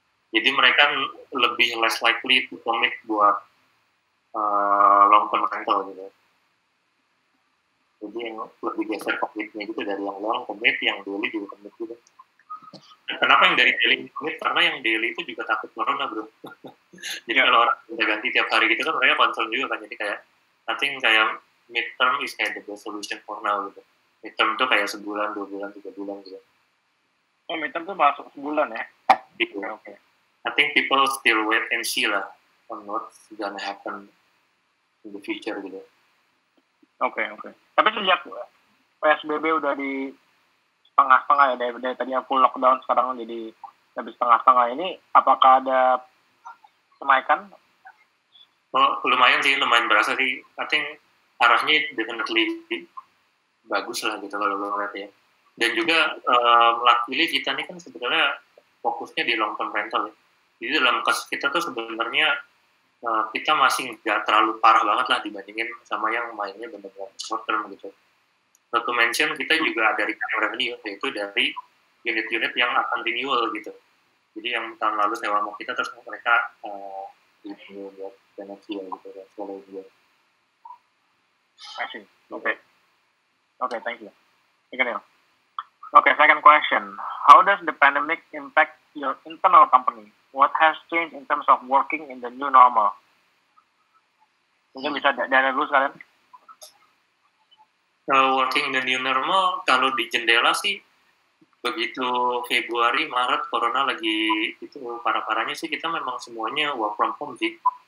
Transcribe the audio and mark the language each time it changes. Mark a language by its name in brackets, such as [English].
[Indonesian] Jadi mereka lebih [English] less likely to commit buat long-term rental gitu. [Indonesian] Jadi yang lebih geser commit-nya gitu dari yang long commit, yang daily juga commit gitu. Kenapa yang dari daily commit? Karena yang daily itu juga takut corona, bro. Jadi ya, kalau orang udah ganti tiap hari gitu kan mereka concern juga kan. Jadi kayak, [English] I think kayak midterm is kind of the solution for now gitu. [Indonesian] Midterm itu kayak sebulan, dua bulan, tiga bulan gitu. Oh, midterm tuh masuk sebulan ya? Gitu. Oke. Okay. [English] I think people still wait and see lah on what's gonna happen in the future gitu. Okay. [Indonesian] Tapi sejak PSBB udah di setengah-setengah ya, dari tadi yang full lockdown sekarang jadi lebih setengah-setengah ini, apakah ada kenaikan? Oh, lumayan berasa sih. [English] I think [Indonesian] arahnya definitely bagus lah gitu kalau lo ngeliat ya. Dan juga luckily kita nih kan sebenarnya fokusnya di long term rental ya. Jadi dalam kasus kita tuh sebenarnya kita masih nggak terlalu parah banget lah dibandingin sama yang mainnya benar-benar short term gitu. [English] Not to mention [Indonesian] kita juga ada recurring revenue, yaitu dari unit-unit yang akan renewal gitu. Jadi yang tahun lalu sewa sama kita terus mereka renew buat tenancy gitu ya, follow juga. [English] Okay, thank you. Okay, second question. How does the pandemic impact your internal company? What has changed in terms of working in the new normal? [Indonesian] Mungkin bisa dana dulu sekalian. Working in the new normal, kalau di jendela sih, begitu Februari, Maret, Corona lagi itu parah-parahnya sih, kita memang semuanya work from home sih.